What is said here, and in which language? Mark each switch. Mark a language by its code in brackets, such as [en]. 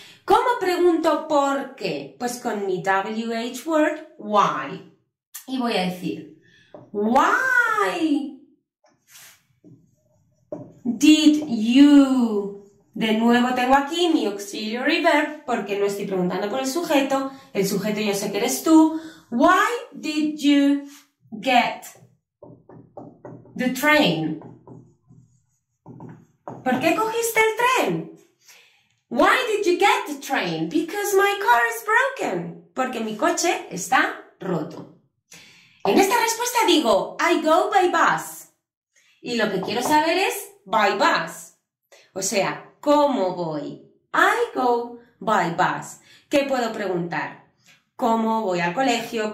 [es] ¿Cómo pregunto por qué? Pues con mi WH word, why. Y voy a decir, [en] why did you, [es] de nuevo tengo aquí mi auxiliary verb, porque no estoy preguntando por el sujeto yo sé que eres tú. [en] Why did you get the train? [es] ¿Por qué cogiste el tren? [en] Why did you get the train? Because my car is broken. [es] Porque mi coche está roto. En esta respuesta digo, [en] I go by bus. [es] Y lo que quiero saber es, [en] by bus. [es] O sea, ¿cómo voy? [en] I go by bus. [es] ¿Qué puedo preguntar? ¿Cómo voy al colegio?